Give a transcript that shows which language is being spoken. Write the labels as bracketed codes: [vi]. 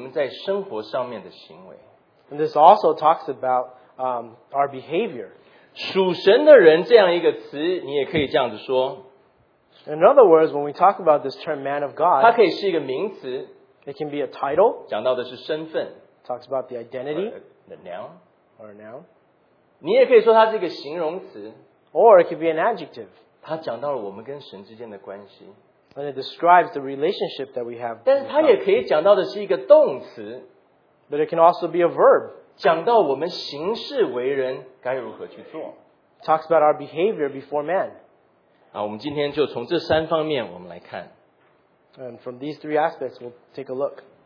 [zh] 然后同样的这个词讲到的是我们在生活上面的行为。 [en] And this also talks about our behavior. [zh] 属神的人这样一个词，你也可以这样子说。 [en] In other words, when we talk about this term man of God, [zh] 它可以是一个名词。 [en] It can be a title. [zh] 讲到的是身份。 [en] Talks about the identity. The noun. Or a noun. [zh] 你也可以说它是一个形容词。 [en] Or it could be an adjective. [zh] 他讲到了我们跟神之间的关系, [en] and it describes the relationship that we have. [zh] 但是他也可以讲到的是一个动词, [en] but it can also be a verb. [zh] 讲到我们行事为人该如何去做, [en] talks about our behavior before man. [zh] 啊，我们今天就从这三方面我们来看, [en] and from these three aspects, we'll take a look.